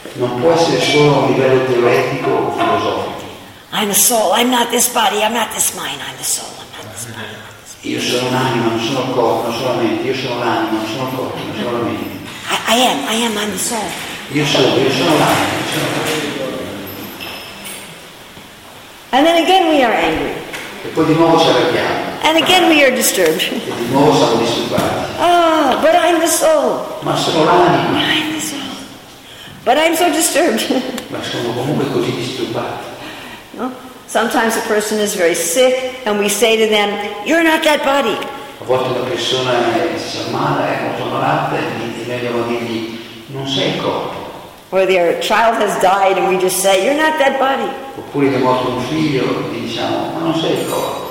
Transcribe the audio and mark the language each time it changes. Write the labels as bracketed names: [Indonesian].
[Italian] Non può essere solo a livello teoretico o filosofico. [English] I'm a soul, I'm not this body, I'm not this mind, I'm the soul, I'm not this body. [Italian] Io sono un'anima, non sono il corpo, non sono la mente. Io sono l'anima, non sono il corpo, non sono la mente. [English] I am, I'm the soul. [Italian] Io sono l'anima, non sono il corpo. [English] And then again we are angry. [Italian] E poi di nuovo ci arrabbiamo. [English] And again we are disturbed. But I'm the soul. [Italian] Ma sono l'anima. [English] I'm the soul. But I'm so disturbed. [Italian] Ma sono comunque così disturbato. No? [English] Sometimes a person is very sick and we say to them, you're not that body. [Italian] A volte una persona si ammala, è molto malata, e noi dobbiamo dirgli, non sei il corpo. [English] Or their child has died and we just say, you're not that body. [Italian] Oppure è morto un figlio e diciamo, ma non sei il corpo.